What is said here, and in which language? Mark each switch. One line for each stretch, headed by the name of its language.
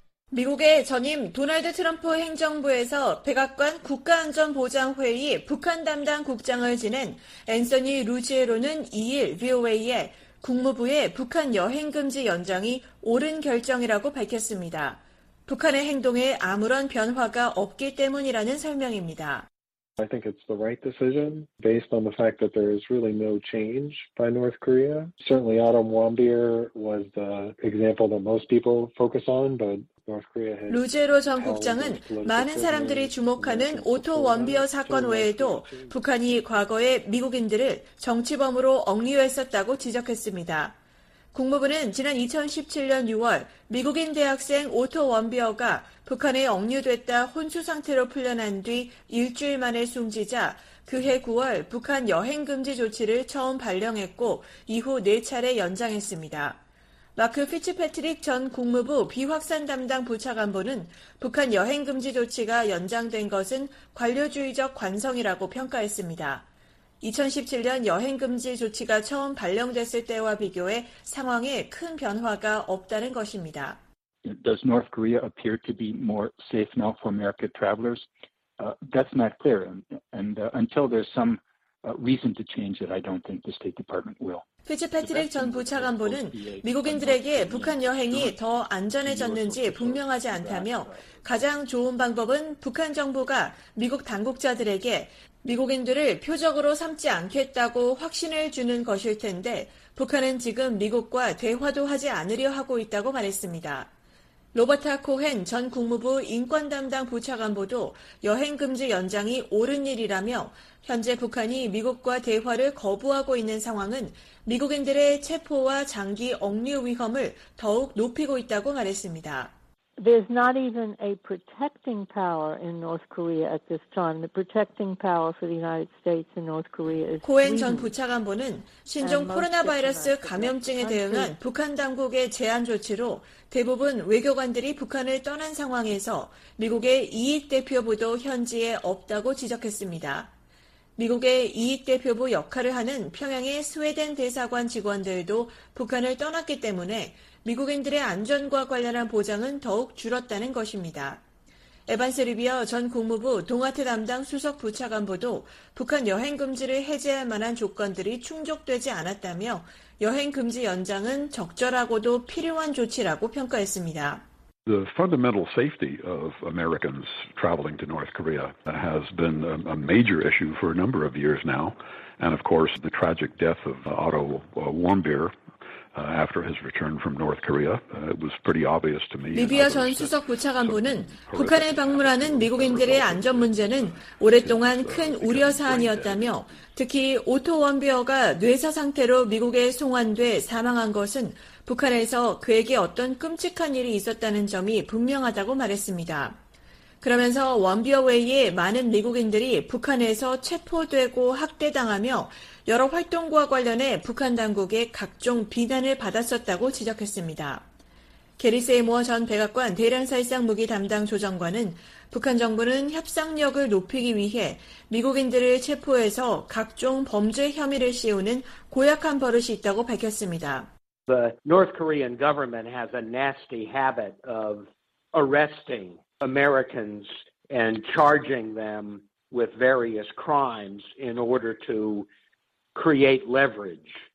Korean: 미국의 전임 도널드 트럼프 행정부에서 백악관 국가안전보장회의 북한 담당 국장을 지낸 앤서니 루지에로는 2일 VOA에 국무부의 북한 여행 금지 연장이 옳은 결정이라고 밝혔습니다. 북한의 행동에 아무런 변화가 없기 때문이라는 설명입니다.
English: I think it's the right decision based on the fact that there is really no change by North Korea. Certainly Autumn Wambir was the example that most people focus on, but
Korean: 루제로 전 국장은 많은 사람들이 주목하는 오토 원비어 사건 외에도 북한이 과거에 미국인들을 정치범으로 억류했었다고 지적했습니다. 국무부는 지난 2017년 6월 미국인 대학생 오토 원비어가 북한에 억류됐다 혼수 상태로 풀려난 뒤 일주일 만에 숨지자 그해 9월 북한 여행 금지 조치를 처음 발령했고 이후 4차례 연장했습니다. 마크 피츠패트릭 전 국무부 비확산 담당 부차관보는 북한 여행 금지 조치가 연장된 것은 관료주의적 관성이라고 평가했습니다. 2017년 여행 금지 조치가 처음 발령됐을 때와 비교해 상황에 큰 변화가 없다는 것입니다.
English: Does North Korea appear to be more safe now for American travelers? That's not clear. And until there's some reason to change it, I don't think the State Department will.
Korean: 피츠패트릭 전 부차관보는 미국인들에게 북한 여행이 더 안전해졌는지 분명하지 않다며 가장 좋은 방법은 북한 정부가 미국 당국자들에게 미국인들을 표적으로 삼지 않겠다고 확신을 주는 것일 텐데 북한은 지금 미국과 대화도 하지 않으려 하고 있다고 말했습니다. 로버타 코헨 전 국무부 인권 담당 부차관보도 여행 금지 연장이 옳은 일이라며 현재 북한이 미국과 대화를 거부하고 있는 상황은 미국인들의 체포와 장기 억류 위험을 더욱 높이고 있다고 말했습니다.
English: There's not even a protecting power in North Korea at this time. The protecting power for the United States in North Korea is.
Korean: 코헨 전 부차관보는 신종 코로나 바이러스 감염증에 대응한 북한 당국의 제한 조치로 대부분 외교관들이 북한을 떠난 상황에서 미국의 이익 대표부도 현지에 없다고 지적했습니다. 미국의 이익 대표부 역할을 하는 평양의 스웨덴 대사관 직원들도 북한을 떠났기 때문에 미국인들의 안전과 관련한 보장은 더욱 줄었다는 것입니다. 에반스 리비어 전 국무부 동아태 담당 수석 부차관보도 북한 여행 금지를 해제할 만한 조건들이 충족되지 않았다며 여행 금지 연장은 적절하고도 필요한 조치라고 평가했습니다.
English: The fundamental safety of Americans traveling to North Korea has been a major issue for a number of years now. And of course, the tragic death of Otto Warmbier after his return from North Korea, it was pretty obvious to me.
Korean: 리비아 전 수석 부차관보는 북한을 방문하는 미국인들의 안전 문제는 오랫동안 큰 우려 사안이었다며 특히 오토 원비어가 뇌사 상태로 미국에 송환돼 사망한 것은 북한에서 그에게 어떤 끔찍한 일이 있었다는 점이 분명하다고 말했습니다. 그러면서 원비어 외에 많은 미국인들이 북한에서 체포되고 학대당하며 여러 활동과 관련해 북한 당국의 각종 비난을 받았었다고 지적했습니다. 게리 세이모어 전 백악관 대량살상 무기 담당 조정관은 북한 정부는 협상력을 높이기 위해 미국인들을 체포해서 각종 범죄 혐의를 씌우는 고약한 버릇이 있다고 밝혔습니다.
English: The North Korean government has a nasty habit of arresting Americans and charging them with various crimes in order to create leverage.